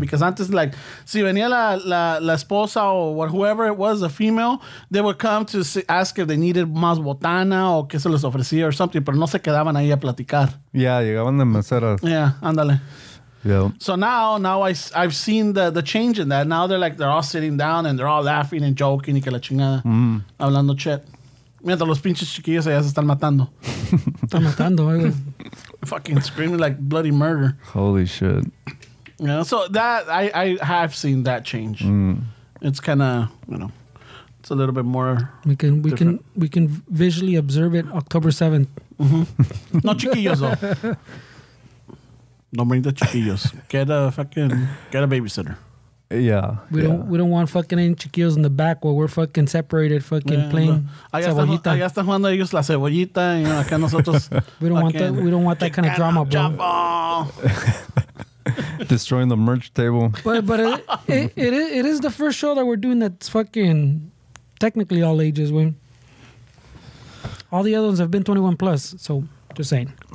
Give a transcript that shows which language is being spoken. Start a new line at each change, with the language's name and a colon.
English: Because
Spanish: antes,
English: like,
Spanish: si venía la esposa
English: or whoever it was, a female, they would come to ask if they needed
Spanish: más botana o que se les ofrecía
English: or something,
Spanish: pero no se quedaban ahí a platicar. Yeah, llegaban de meseras. Yeah, ándale.
English: Yeah. So now I've seen the change in that. Now they're like, they're all sitting down and they're all laughing and joking
Spanish: y que la chingada, hablando
English: shit.
Spanish: Mientras los pinches chiquillos allá se están matando. Están matando, algo.
English: Fucking screaming like bloody murder. Holy shit. Yeah, so that, I have seen that change. It's kind of, you know, it's a little bit more. We can visually observe it October 7th. Mm-hmm. No chiquillos, though. Don't bring the chiquillos. Get a babysitter. Yeah. We don't want fucking any chiquillos in the back while we're fucking separated, fucking playing
Spanish: Cebollita. Allá están jugando ellos la Cebollita, y acá nosotros.
English: We don't want that kind of drama, bro. Destroying the merch table. But it is the first show that we're doing that's fucking technically all ages. When all the other ones have been 21 plus, so just saying.